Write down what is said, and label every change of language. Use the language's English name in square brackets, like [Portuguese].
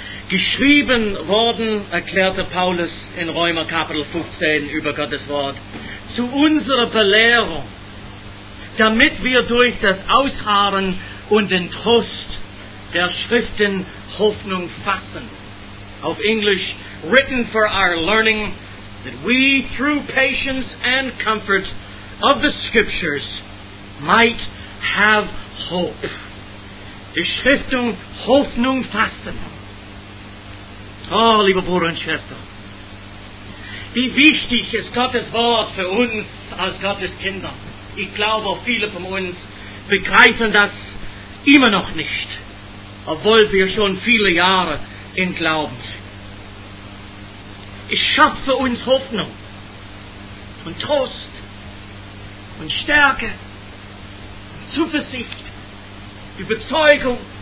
[German] Geschrieben worden, erklärte Paulus in Römer Kapitel 15 über Gottes Wort, zu unserer Belehrung, damit wir durch das Ausharren und den Trost der Schriften Hoffnung fassen. Auf Englisch, [English] written for our learning, that we through patience and comfort of the Scriptures might have hope. [German] Die Schriftung Hoffnung fassen. Oh, liebe Bruder und Schwester, wie wichtig ist Gottes Wort für uns als Gottes Kinder. Ich glaube, viele von uns begreifen das immer noch nicht, obwohl wir schon viele Jahre im Glauben sind. Es schafft für uns Hoffnung und Trost und Stärke, Zuversicht, Überzeugung.